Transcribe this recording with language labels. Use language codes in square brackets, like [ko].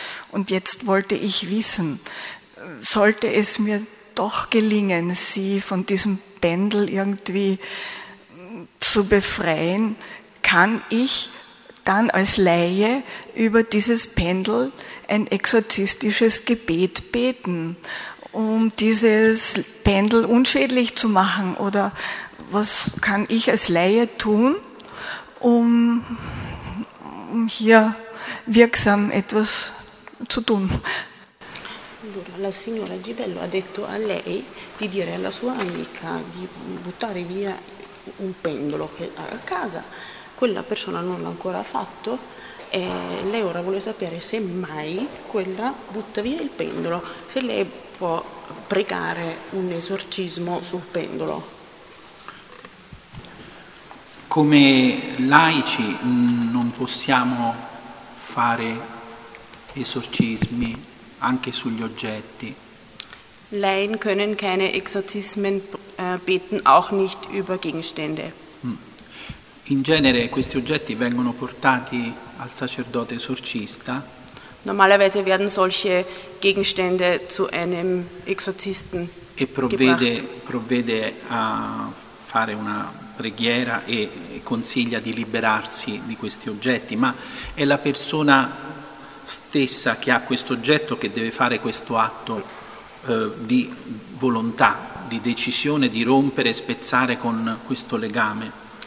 [de] Und jetzt wollte ich wissen, sollte es mir doch gelingen, sie von diesem Pendel irgendwie zu befreien, kann ich dann als Laie über dieses Pendel ein exorzistisches Gebet beten? um dieses Pendel unschädlich zu machen? Oder was kann ich als Laie tun, um hier wirksam etwas zu tun? [it] La signora Gibello ha detto a lei di dire alla sua amica di buttare via un pendolo che ha a casa. Quella persona non l'ha ancora fatto e lei ora vuole sapere se mai quella butta via il pendolo, se lei può pregare un esorcismo sul pendolo. Come laici non possiamo fare esorcismi anche sugli oggetti. [de] Laien können keine Exorzismen beten, auch nicht über Gegenstände. [it] In genere questi oggetti vengono portati al sacerdote esorcista. [de] Normalerweise werden solche Gegenstände zu einem Exorzisten [it] e provvede, [de] gebracht. [it] Provvede a fare una preghiera e consiglia di liberarsi di questi oggetti, ma è la persona stessa che ha questo oggetto che deve fare questo atto di volontà, di decisione di rompere e spezzare con questo legame.